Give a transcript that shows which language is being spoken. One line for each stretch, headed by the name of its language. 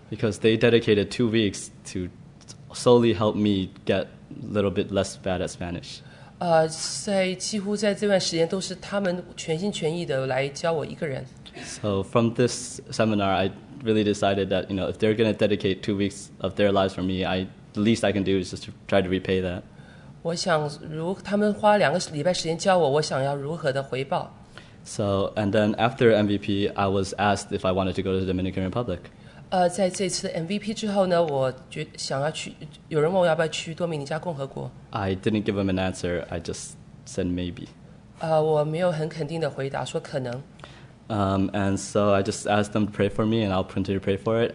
English: Because they dedicated 2 weeks to solely help me get a little bit less bad at Spanish.
Chinese: 几乎在这段时间都是他们全心全意的来教我一个人。
English: So from this seminar, I really decided that, you know, if they're going to dedicate 2 weeks of their lives for me, the least I can do is just to try to repay that.
Chinese: 我想如他们花两个礼拜时间教我，我想要如何的回报。
English: So and then after MVP, I was asked if I wanted to go to the Dominican Republic.
Chinese: 在这次 MVP 之后呢，我决想要去。有人问我要不要去多米尼加共和国。
English: I didn't give them an answer. I just said maybe.
Chinese: 我没有很肯定的回答，说可能。
English: And so I just asked them to pray for me, and I'll continue to pray for it.